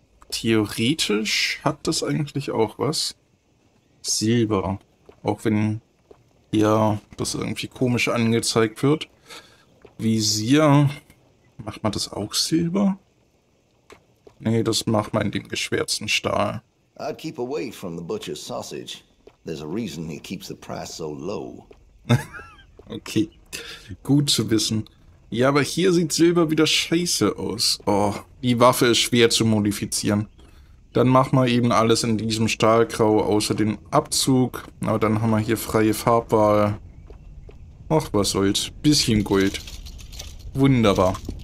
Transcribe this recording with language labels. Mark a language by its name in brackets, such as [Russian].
[German] Theoretisch hat das eigentlich auch was. Silber. Auch wenn ja das irgendwie komisch angezeigt wird. Visier. Macht man das auch Silber? Nee, das macht man in dem geschwärzten Stahl. [English] I keep away from the butcher's sausage. There's a reason he keeps the price so low. [German] Okay, gut zu wissen. Ja, aber hier sieht Silber wieder scheiße aus. Oh, die Waffe ist schwer zu modifizieren. Dann machen wir eben alles in diesem Stahlgrau, außer den Abzug. Aber dann haben wir hier freie Farbwahl. Ach, was soll's. Bisschen Gold. Wunderbar.